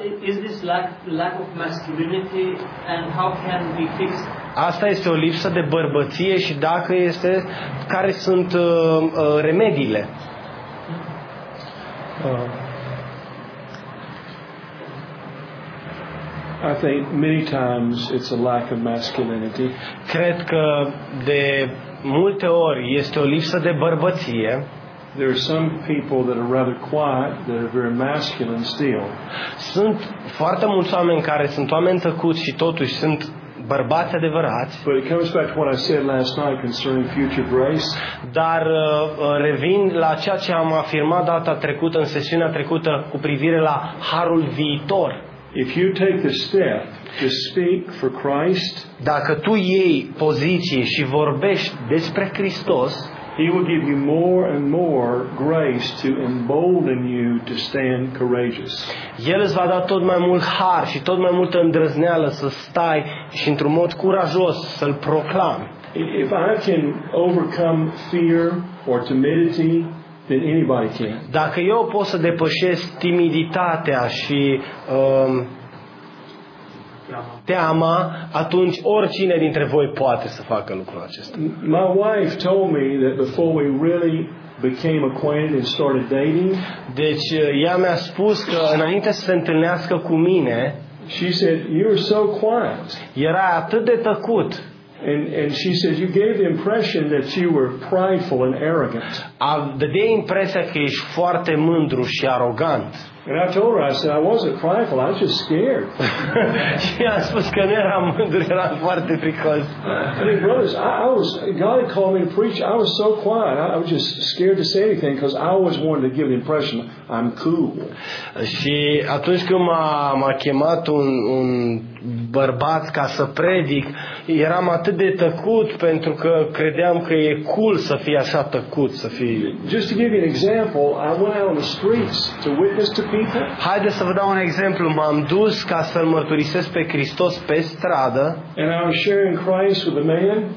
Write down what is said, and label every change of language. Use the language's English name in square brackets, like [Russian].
[English] Is this lack of masculinity and how can we fix it? [Romanian] Asta este o lipsă de bărbăție și dacă este, care sunt remediile? [English] I think many times it's a lack of masculinity. [Romanian] Cred că de multe ori este o lipsă de bărbăție. [English] There are some people that are rather quiet, that are very masculine still. [Romanian] Sunt foarte mulți oameni care sunt oameni tăcuți și totuși sunt bărbați adevărați. [English] But it comes back to what I said last night concerning future grace. [Romanian] Dar revin la ceea ce am afirmat data trecută în sesiunea trecută cu privire la harul viitor. [English] If you take the step to speak for Christ, [Romanian] dacă tu iei poziție și vorbești despre Hristos, [English] He will give you more and more grace to embolden you to stand courageous. [Romanian] El îți va da tot mai mult har și tot mai multă îndrăzneală să stai și într-un mod curajos să-l proclami. [English] If I can overcome fear or timidity, then anybody can. [Romanian] Dacă eu pot să depășesc timiditatea și teama, atunci oricine dintre voi poate să facă lucrul acesta. [English] My wife told me that before we really became acquainted and started dating. [Romanian] Deci ea mi-a spus că înainte să se întâlnească cu mine, [English] she said, "You're so quiet." [Romanian] Era atât de tăcut. [English] And she said, "You gave the impression that you were prideful and arrogant." [Romanian] Dădea impresia că ești foarte mândru și arogant. [English] And I told her, I said, "I wasn't prideful, I was just scared." [Romanian] Și am spus că nu eram mândru, eram foarte fricos. [English] I mean, brothers, God called me to preach. I was so quiet. I was just scared to say anything because I always wanted to give the impression I'm cool. [Romanian] Și atunci când m-a chemat un bărbat ca să predic, eram atât de tăcut pentru că credeam că e cool să fii așa tăcut, să fii. [English] Just to give you an example, I went out on the streets to witness to speaker. [Romanian] Haideți să vă dau un exemplu. M-am dus ca să-l mărturisesc pe Hristos pe stradă. [English] And I was sharing Christ with a man.